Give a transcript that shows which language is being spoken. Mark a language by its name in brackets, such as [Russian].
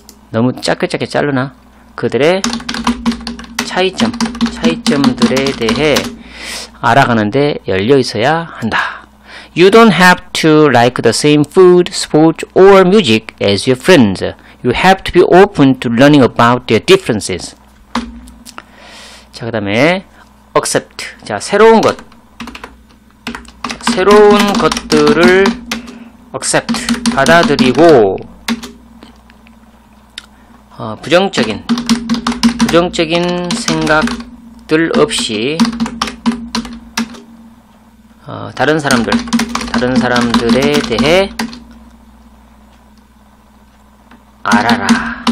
[Korean] 너무 짧게 자르나? 그들의 차이점들에 대해 알아가는데 열려 있어야 한다. [English] You don't have to like the same food, sports, or music as your friends. You have to be open to learning about their differences. [Korean] 자, 그 다음에 accept. 자, 새로운 것들을 accept, 받아들이고 부정적인 생각들 없이 다른 사람들에 대해 알아라.